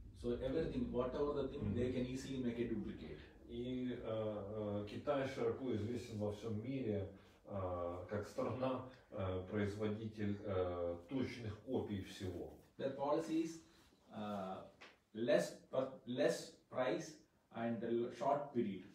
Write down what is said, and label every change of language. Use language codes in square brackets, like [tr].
[en] So everything, whatever the thing, mm-hmm. they can easily make a duplicate. [ru] И Китай широко известен во всем мире как страна производитель точных копий всего. [en] Their policy is less price and a short period.